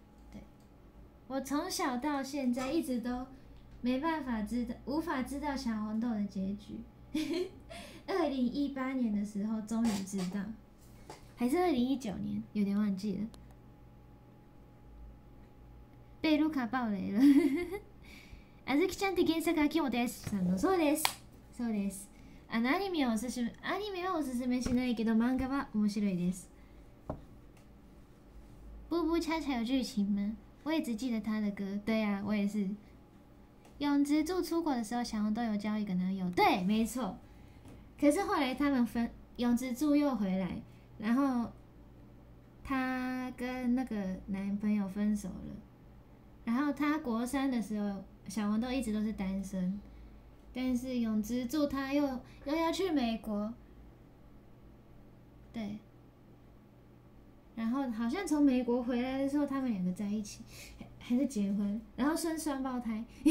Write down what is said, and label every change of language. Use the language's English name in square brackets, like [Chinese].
[Chinese] 对，我从小到现在一直都没办法知道，无法知道小红豆的结局。 2018年的时候终于知道，还是2019年，有点忘记了。被卢卡爆雷了。 [Japanese] あずきちゃんって原作秋元康さんの。そうです、そうです。あのアニメはおすすめしないけど、漫画は面白いです。 [Chinese] ブーブーチャチャ有剧情吗？我也只记得他的歌。对啊，我也是。永植柱出国的时候小红都有交一个男友。对，没错。可是后来他们分，永植柱又回来，然后他跟那个男朋友分手了，然后他国三的时候小红豆一直都是单身，但是永植柱他又要去美国，对，然后好像从美国回来的时候他们两个在一起还是结婚，然后生双胞胎。